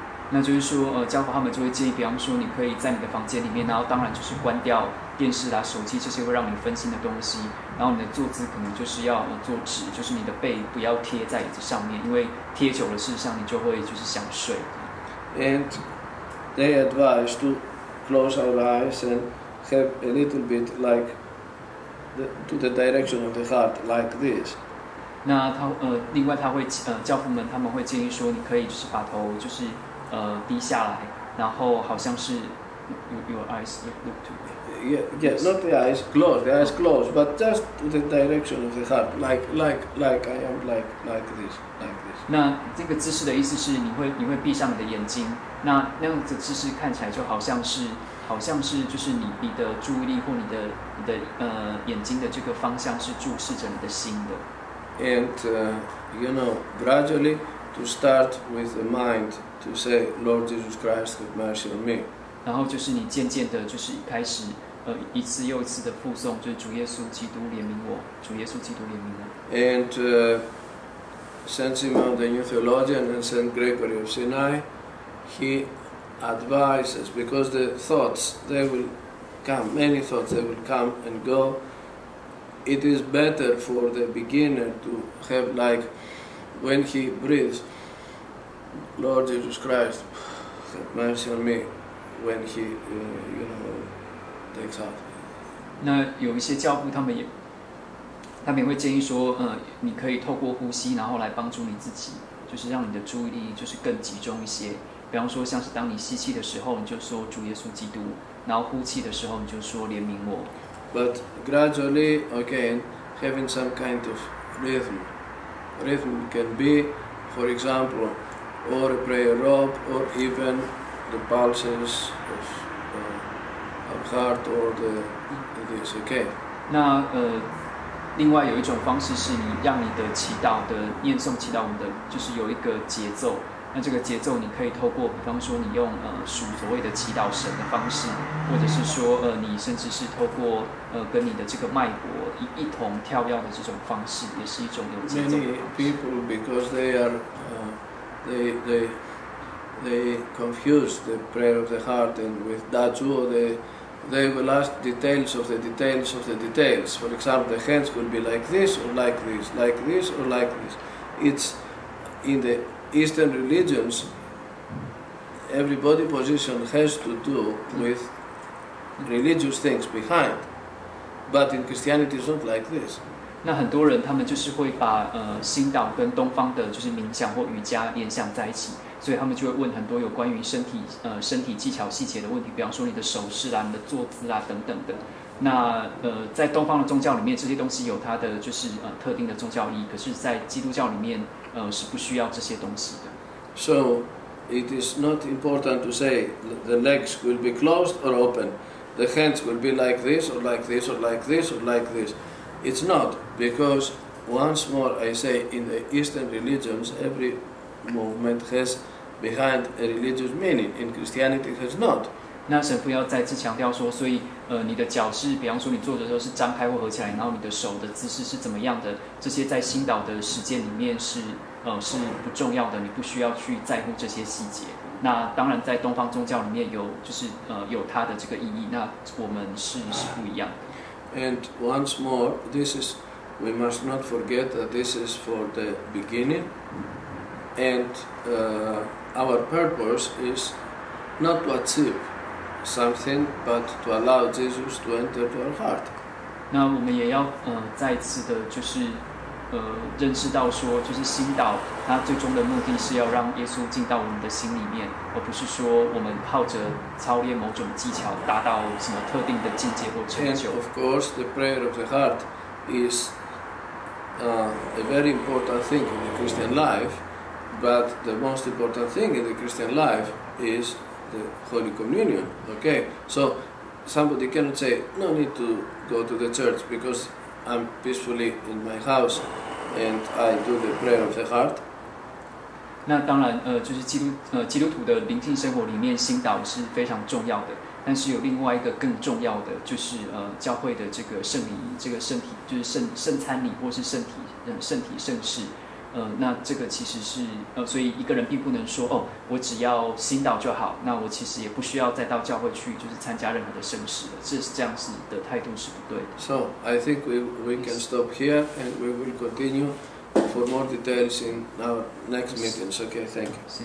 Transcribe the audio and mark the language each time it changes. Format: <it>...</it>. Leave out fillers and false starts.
<zh>那就是说，教皇他们就会建议，比方说，你可以在你的房间里面，然后当然就是关掉电视啦、手机这些会让你分心的东西，然后你的坐姿可能就是要坐直，就是你的背不要贴在椅子上面，因为贴久了，事实上你就会就是想睡。</zh> <en>And they advise to close our eyes and have a little bit like the, to the direction of the heart like this.</en> <zh>那他另外他会教父们他们会建议说，你可以就是把头就是。低下来，然后好像是</zh> <en>your eyes look to me. Yeah, not the eyes closed, the eyes closed, but just to the direction of the heart, like I am like this.</en> <zh>那这个姿势的意思是你会闭上你的眼睛，那样子姿势看起来就好像是就是你的注意力或你的眼睛的这个方向是注视着你的心的。</zh> <en>And you know, gradually to start with the mind. To say, Lord Jesus Christ, have mercy on me.</en> <zh>然后就是你渐渐的，就是开始，一次又一次的附送，就是主耶稣基督怜悯我，主耶稣基督怜悯我。</zh> <en>And Saint Simon the New Theologian and Saint Gregory of Sinai, he advises because the thoughts they will come, many thoughts they will come and go. It is better for the beginner to have like when he breathes. Lord Jesus Christ, have mercy on me when he, you know, takes out.</en> <zh>那有一些教父他们也会建议说，你可以透过呼吸，然后来帮助你自己，就是让你的注意力就是更集中一些。比方说，像是当你吸气的时候，你就说主耶稣基督，然后呼气的时候你就说怜悯我。</zh> <en>But gradually, again, having some kind of rhythm can be, for example. Or a prayer rope, or even the pulses of our heart, or this. Okay.</en> <zh>那另外有一种方式是你让你的祈祷的念诵祈祷，我们的就是有一个节奏。那这个节奏你可以透过，比方说你用数所谓的祈祷神的方式，或者是说你甚至是透过跟你的这个脉搏一同跳跃的这种方式，也是一种有节奏的方式。</zh> <en>Many people because they are. They confuse the prayer of the heart and with dazhuo they will ask details. For example, the hands could be like this or like this, like this or like this. It's in the Eastern religions, every body position has to do with religious things behind. But in Christianity, it's not like this.</en> <zh>那很多人他们就是会把心导跟东方的就是冥想或瑜伽联想在一起，所以他们就会问很多有关于身体技巧细节的问题，比方说你的手势啦、你的坐姿啦等等的。那在东方的宗教里面，这些东西有它的就是特定的宗教意义，可是，在基督教里面是不需要这些东西的。</zh> <en>So it is not important to say the legs will be closed or open, the hands will be like this or like this or like this or like this. It's not because once more I say in the Eastern religions every movement has behind a religious meaning. In Christianity, it has not.</en> <zh>那神父要再次强调说，所以你的脚是，比方说你坐着的时候是张开或合起来，然后你的手的姿势是怎么样的？这些在心导的实践里面是不重要的，你不需要去在乎这些细节。那当然，在东方宗教里面有就是有它的这个意义，那我们是不一样的。</zh> <en>And once more, this is, we must not forget that this is for the beginning. And our purpose is not to achieve something, but to allow Jesus to enter to our heart.</en> <zh>那我们也要再次的，就是认识到说，就是心祷，它最终的目的是要让耶稣进到我们的心里面，而不是说我们靠着操练某种技巧达到什么特定的境界或成就。</zh> <en>And of course, the prayer of the heart is a very important thing in the Christian life. But the most important thing in the Christian life is the Holy Communion. Okay, so somebody cannot say, "No need to go to the church because I'm peacefully in my house and I do the prayer of the heart."</en> <zh>那当然，就是基督徒的灵性生活里面，心祷是非常重要的。但是有另外一个更重要的，就是教会的这个圣礼，这个圣体，就是圣餐礼或是圣体圣事。那这个其实是所以一个人并不能说哦，我只要心祷就好，那我其实也不需要再到教会去，就是参加任何的圣事了。这样子的态度是不对的。</zh> <en>So I think we can stop here and we will continue for more details in our next meetings. Okay, thank you.</en>